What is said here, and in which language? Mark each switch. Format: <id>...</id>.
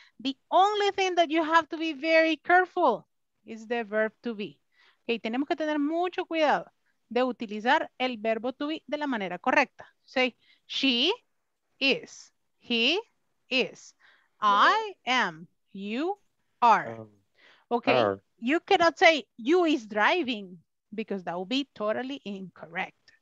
<en>The only thing that you have to be very careful is the verb to be.</en> <es>Okay, tenemos que tener mucho cuidado de utilizar el verbo to be de la manera correcta.</es> <en>Say, she is, he is, I am, you are. Okay. You cannot say you is driving because that would be totally incorrect.</en>